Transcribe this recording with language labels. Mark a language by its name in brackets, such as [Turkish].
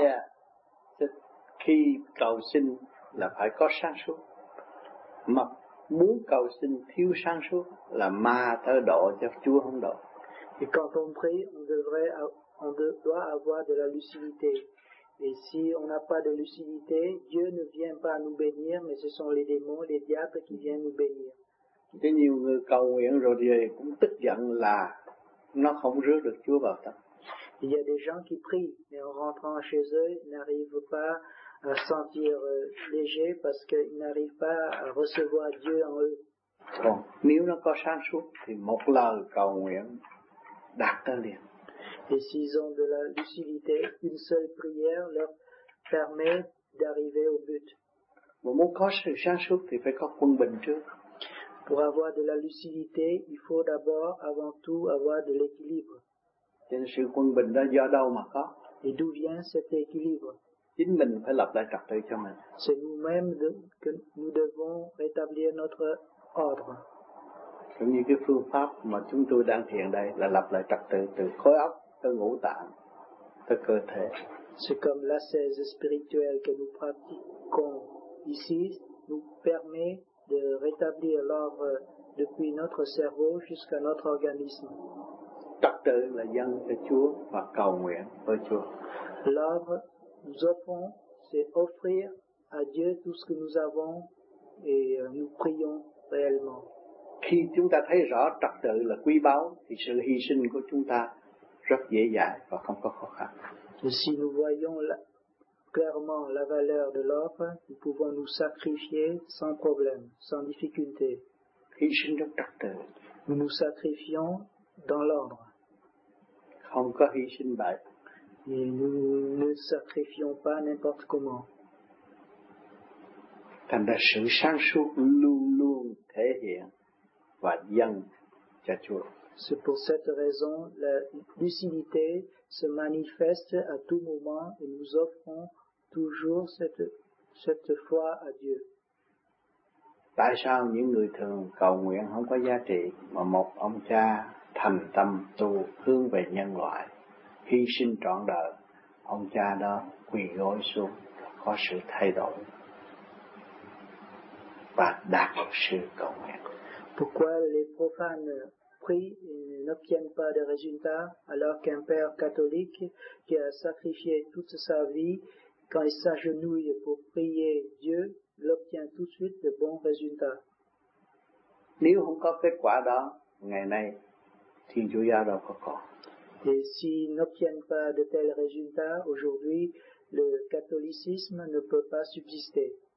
[French] Oui, c'est qui cause une la paix [Vietnamese] mà muốn cầu xin thiếu sáng suốt là ma thở độ cho Chúa không độ. [French] Thì quand on prie, on doit avoir de la lucidité. Et si on n'a pas de lucidité, Dieu ne vient pas nous bénir, mais ce sont les démons, les diables qui viennent nous bénir. [Vietnamese] Thế nhiều người cầu nguyện rồi thì cũng tức giận là nó không rước được Chúa vào tâm. [French] Il y a des gens qui prient, mais en rentrant chez eux, ils n'arrivent pas à sentir léger parce qu'ils n'arrivent pas à recevoir Dieu en eux. [Vietnamese] Bon, nếu nó có sáng suốt thì một lời cầu nguyện đạt tới liền. [French] Et s'ils ont de la lucidité, une seule prière leur permet d'arriver au but. [Vietnamese] Mà muốn có sự sáng suốt thì phải có quân bình trước. [French] Pour avoir de la lucidité, il faut d'abord, avant tout, avoir de l'équilibre. [Vietnamese] Thì sự quân bình đó do đâu mà có? [French] Et d'où vient cet équilibre? [Vietnamese] Chính mình phải lập lại trật tự cho mình. [French] C'est nous-mêmes que nous devons rétablir notre ordre. [Vietnamese] Cũng như cái phương pháp mà chúng tôi đang thiền đây là lập lại trật tự từ khối óc tới ngũ tạng tới cơ thể. [French] C'est comme l'assaise spirituelle que nous pratiquons ici nous permet de rétablir l'ordre depuis notre cerveau jusqu'à notre organisme. [Vietnamese] Trật tự là dâng cho Chúa và cầu nguyện với Chúa. [French] L'ordre nous offrons, c'est offrir à Dieu tout ce que nous avons et nous prions réellement. [Vietnamese] Khi chúng ta thấy rõ trật tự là quý báu, thì sự hy sinh của chúng ta rất dễ dàng và không có khó khăn. [French] Si nous voyons clairement la valeur de l'offre, nous pouvons nous sacrifier sans problème, sans difficulté. [Vietnamese] Hy sinh trong trật tự. [French] Nous nous sacrifions dans l'ordre. [Vietnamese] Không có hy sinh bậy. [French] Et nous ne sacrifions pas n'importe comment. [Vietnamese] Thành ra sự sáng suốt luôn luôn thể hiện và dâng cho Chúa. [French] C'est pour cette raison la lucidité se manifeste à tout moment et nous offrons toujours cette foi à Dieu. [Vietnamese] Tại sao những người thường cầu nguyện không có giá trị mà một ông cha thành tâm tu hướng về nhân loại? Hy sinh trọn đời, ông cha đó quỳ gối xuống, có sự thay đổi và đạt được sự cầu nguyện. [French] Pourquoi les profanes prient et n'obtiennent pas de résultats alors qu'un père catholique qui a sacrifié toute sa vie, quand il s'agenouille pour prier Dieu, l'obtient tout de suite de bons résultats? [Vietnamese] Nếu không có kết quả đó, ngày nay, Thiên Chúa Giáo đâu có còn. [French] Et s'ils n'obtiennent pas de tels résultats, aujourd'hui, le catholicisme ne peut pas subsister.